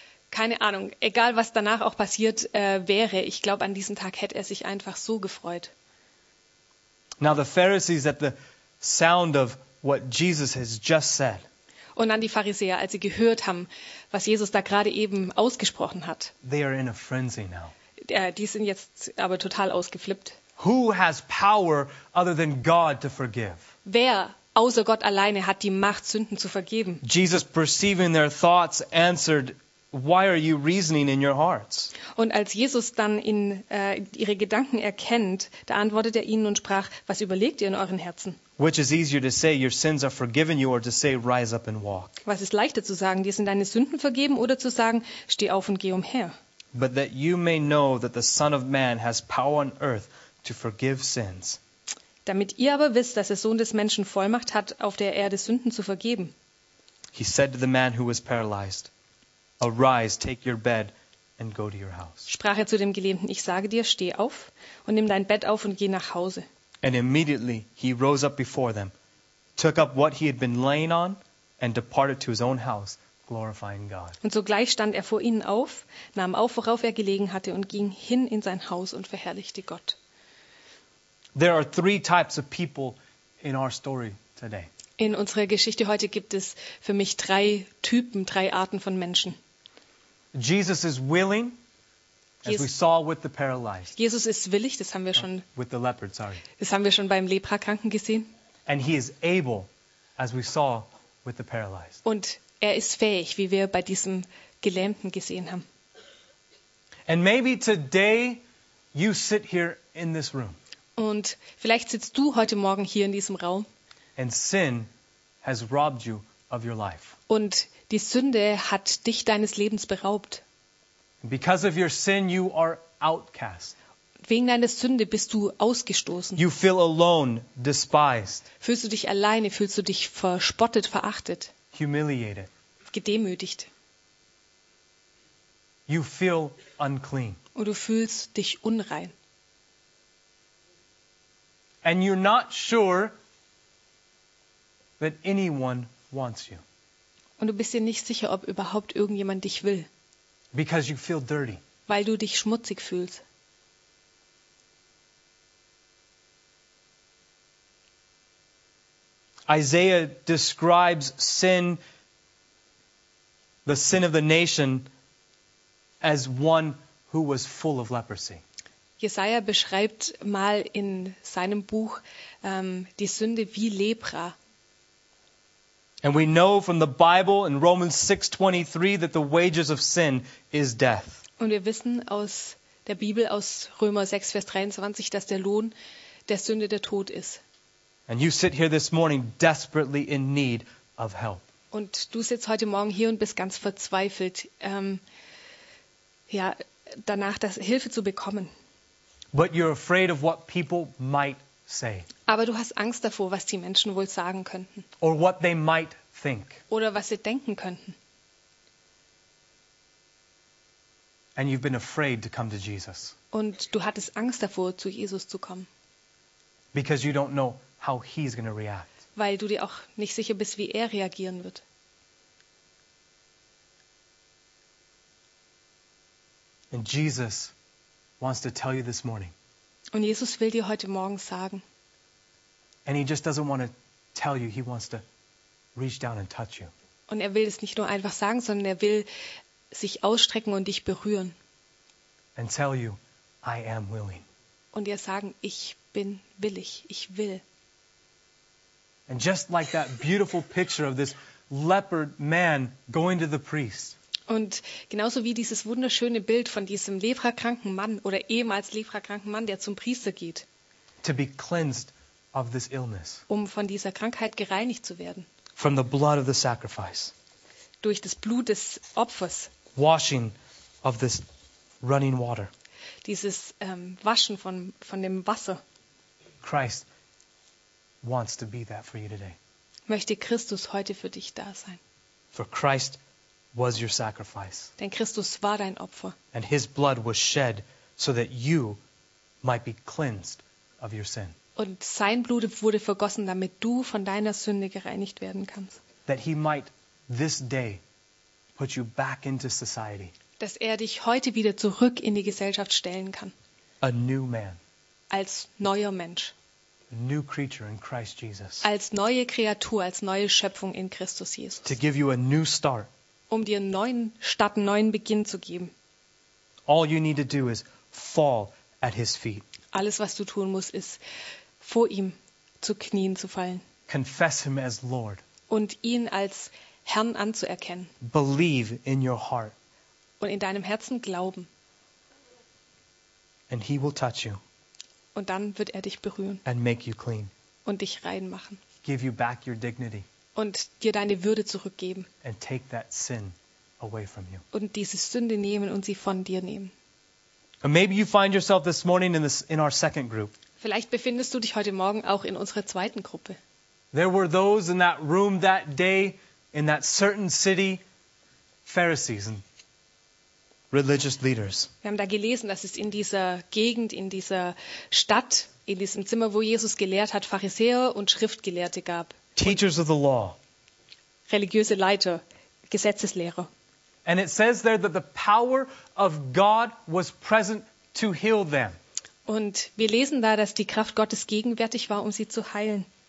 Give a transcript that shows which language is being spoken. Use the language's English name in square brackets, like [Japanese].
[German] Keine Ahnung, egal was danach auch passiert wäre, ich glaube an diesem Tag hätte er sich einfach so gefreut. [English] Now the Pharisees at the sound of what Jesus has just said. [German] Und an die Pharisäer, als sie gehört haben, was Jesus da gerade eben ausgesprochen hat. [English] They are in a frenzy now. [German] Die sind jetzt aber total ausgeflippt. [English] Who has power other than God to forgive? [German] Wer außer Gott alleine hat die Macht, Sünden zu vergeben? [English] Jesus, perceiving their thoughts, answered, "Why are you reasoning in your hearts?" [German] Und als Jesus dann in ihre Gedanken erkennt, da antwortet er ihnen und sprach: "Was überlegt ihr in euren Herzen?" [English] Which is easier to say, "Your sins are forgiven you," or to say, "Rise up and walk"? [German] Was ist leichter zu sagen, dir sind deine Sünden vergeben, oder zu sagen, steh auf und geh umher? [English] But that you may know that the Son of Man has power on earth to forgive sins. [German] Damit ihr aber wisst, dass der Sohn des Menschen Vollmacht hat, auf der Erde Sünden zu vergeben. [English] He said to the man who was paralyzed, "Arise, take your bed and go to your house." [German] Sprach er zu dem Gelähmten, ich sage dir, steh auf und nimm dein Bett auf und geh nach Hause. [English] And immediately he rose up before them, took up what he had been laying on, and departed to his own house, glorifying God. [German] Und sogleich stand er vor ihnen auf, nahm auf, worauf er gelegen hatte, und ging hin in sein Haus und verherrlichte Gott. [English] There are three types of people in our story today. [German] In unserer Geschichte heute gibt es für mich drei Typen, drei Arten von Menschen. [English] Jesus is willing, as we saw with the paralyzed. [German] Jesus ist willig, das haben wir schon. [English] With the leopard, sorry. [German] Das haben wir schon beim Leprakranken gesehen. [English] And he is able, as we saw with the paralyzed. [German] Und er ist fähig, wie wir bei diesem Gelähmten gesehen haben. [English] And maybe today you sit here in this room. [German] Und vielleicht sitzt du heute Morgen hier in diesem Raum. [English] And sin has robbed you of your life. [German] Und die Sünde hat dich deines Lebens beraubt. [English] Because of your sin, you are outcast. [German] Wegen deiner Sünde bist du ausgestoßen. [English] You feel alone, despised. [German] Fühlst du dich alleine, fühlst du dich verspottet, verachtet. [English] Humiliated. [German] Gedemütigt. [English] You feel unclean. [German] Und du fühlst dich unrein. [English] And you're not sure that anyone wants you. [German] Und du bist dir nicht sicher, ob überhaupt irgendjemand dich will. [English] Because you feel dirty. [German] Weil du dich schmutzig fühlst. [English] Isaiah describes sin, the sin of the nation, as one who was full of leprosy. [German] Jesaja beschreibt mal in seinem Buch die Sünde wie Lepra. [English] And we know from the Bible in Romans 6:23 that the wages of sin is death. [German] Und wir wissen aus der Bibel aus Römer 6 Vers 23, dass der Lohn der Sünde der Tod ist. [English] And you sit here this morning desperately in need of help. [German] Und du sitzt heute Morgen hier und bist ganz verzweifelt danach das Hilfe zu bekommen. [English] But you're afraid of what people might say. [German] Aber du hast Angst davor, was die Menschen wohl sagen könnten. [English] Or what they might think. [German] Oder was sie denken könnten. [English] And you've been afraid to come to Jesus. [German] Und du hattest Angst davor, zu Jesus zu kommen. [English] Because you don't know how he's going to react. [German] Weil du dir auch nicht sicher bist, wie er reagieren wird. [English] And Jesus wants to tell you this morning. [German] Und Jesus will dir heute Morgen sagen. [English] And he just doesn't want to tell you, he wants to reach down and touch you. [German] Und er will es nicht nur einfach sagen, sondern er will sich ausstrecken und dich berühren. [English] And tell you, I am willing. [German] Und dir sagen, ich bin willig, ich will. [English] And just like that beautiful picture of this leopard man going to the priest. [German] Und genauso wie dieses wunderschöne Bild von diesem leprakranken Mann oder ehemals leprakranken Mann, der zum Priester geht. [English] To be cleansed of this illness. [German] Um von dieser Krankheit gereinigt zu werden. [English] From the blood of the sacrifice. [German] Durch das Blut des Opfers. [English] Washing of this running water. [German] Dieses Waschen von dem Wasser. [English] Christ wants to be that for you today. [German] Möchte Christus heute für dich da sein. [English] For Christ was your sacrifice. [German] Denn Christus war dein Opfer. [English] And his blood was shed so that you might be cleansed of your sin. [German] Und sein Blut wurde vergossen, damit du von deiner Sünde gereinigt werden kannst. [English] That he might this day put you back into society. [German] Dass er dich heute wieder zurück in die Gesellschaft stellen kann. [English] A new man. [German] Als neuer Mensch. [English] A new creature in Christ Jesus. [German] Als neue Kreatur, als neue Schöpfung in Christus Jesus. [English] To give you a new start. [German] Um dir einen neuen Start, einen neuen Beginn zu geben. [English] All you need to do is fall at his feet. [German] Alles, was du tun musst, ist, vor ihm zu knien zu fallen. [English] Confess him as Lord. [German] Und ihn als Herrn anzuerkennen. [English] Believe in your heart. [German] Und in deinem Herzen glauben. [English] And he will touch you. [German] Und dann wird er dich berühren. [English] And make you clean. [German] Und dich rein machen. [English] Give you back your dignity. [German] Und dir deine Würde zurückgeben. [English] And take that sin away from you. [German] Und diese Sünde nehmen und sie von dir nehmen. [English] And maybe you find yourself this morning in our second group. [German] Vielleicht befindest du dich heute Morgen auch in unserer zweiten Gruppe. [English] There were those in that room that day in that certain city, Pharisees and religious leaders. [German] Wir haben da gelesen, dass es in dieser Gegend, in dieser Stadt, in diesem Zimmer, wo Jesus gelehrt hat, Pharisäer und Schriftgelehrte gab. [English] Teachers of the law. [German] Religiöse Leiter, Gesetzeslehrer. [English] And it says there that the power of God was present to heal them. [German] Und wir lesen da, dass die Kraft Gottes gegenwärtig war, um sie zu heilen.